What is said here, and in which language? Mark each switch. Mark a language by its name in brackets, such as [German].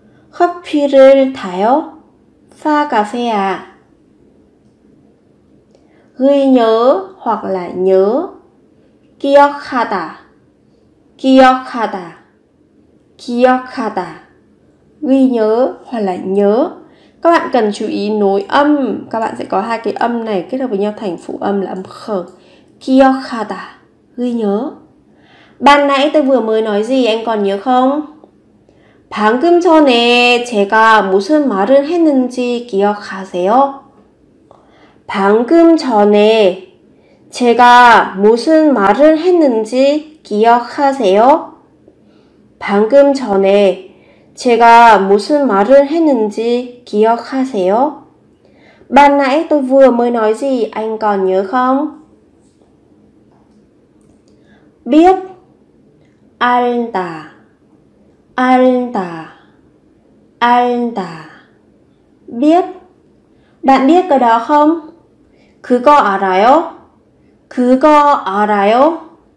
[Korean] 커피를 타요? [Vietnamese] Pha cà phê à? Ghi nhớ hoặc là nhớ. [Korean] 기억하다 기억하다 기억하다 [Vietnamese] ghi nhớ hoặc là nhớ. Các bạn cần chú ý nối âm. Các bạn sẽ có hai cái âm này kết hợp với nhau thành phụ âm là âm khờ. [Korean] 기억하다 [Vietnamese] ghi nhớ. Ban nãy tôi vừa mới nói gì anh còn nhớ không? [Korean] 방금 전에 제가 무슨 말을 했는지 기억하세요? 방금 전에 제가 무슨 말을 했는지 기억하세요? 방금 전에 제가 무슨 말을 했는지 기억하세요? [Vietnamese] Ban nãy tôi vừa mới nói gì anh còn nhớ không? Biết [Korean] 알다 알다 알다 [Vietnamese] biết. Bạn biết cái đó không? [Korean] 그거 알아요? 그거 알아요?